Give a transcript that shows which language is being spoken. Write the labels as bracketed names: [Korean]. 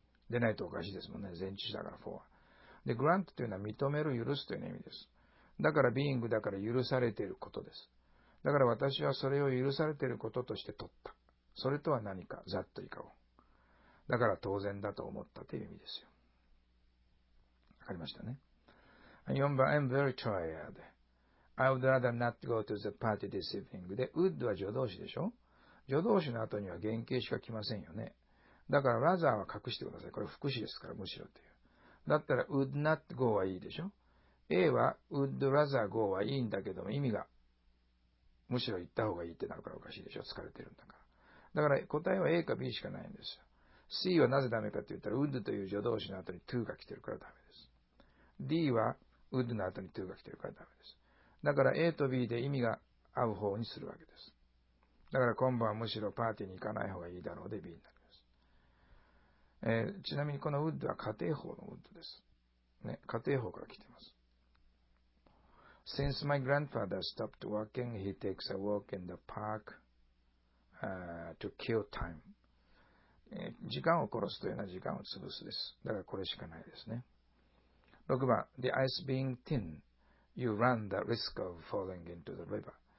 [Japanese] でないとおかしいですもんね。前置詞だから for は。で、grant というのは認める、許すという意味です。だから being だから許されていることです。だから私はそれを許されていることとして取った。それとは何か、ざっといかを。だから当然だと思ったという意味ですよ。わかりましたね。4番、 [English] I'm very tired. I would rather not go to the party this evening. [Japanese] で、would は助動詞でしょ。助動詞の後には原型しか来ませんよね。だから rather は隠してください。これ副詞ですから、むしろという。だったら [English] would not go [Japanese] はいいでしょ。A は [English] would rather go [Japanese] はいいんだけども、意味がむしろ言った方がいいってなるからおかしいでしょ。疲れてるんだから。だから答えは A か B しかないんですよ。C はなぜダメかって言ったら would という助動詞の後に to が来てるからダメです。 D は would の後に to が来てるからダメです。だから A と B で意味が合う方にするわけです。だから今晩はむしろパーティーに行かない方がいいだろうで B になります。ちなみにこのウッドは仮定法のウッドです。ね、仮定法から来ています。 [English] Since my grandfather stopped working, he takes a walk in the park, to kill time. [Japanese] 時間を殺すというのは時間を潰すです。だからこれしかないですね。 6番、 [English] The ice being thin, you run the risk of falling into the river.